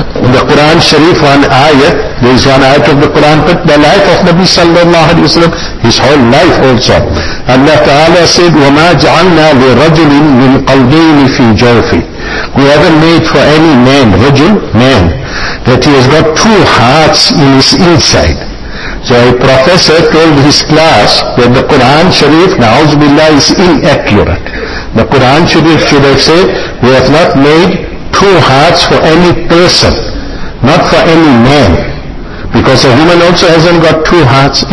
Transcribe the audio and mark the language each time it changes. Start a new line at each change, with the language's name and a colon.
English: The Quran Sharif, one ayat, there is one ayat of the Quran, but the life of Nabi sallallahu alayhi wa sallam, his whole life also. Allah Ta'ala said,
Arabic: وَمَا جَعَلْنَا لِرَجُلٍ مِنْ قَلْبَيْنِ فِي جَوْفِ.
English: We haven't made for any man, rajul, man, that he has got two hearts in his inside. So a professor told his class that the Quran Sharif, na'uz billah, is inaccurate. The Quran Sharif should have said, we have not made two hearts for any person, not for any man, because a woman also hasn't got two hearts.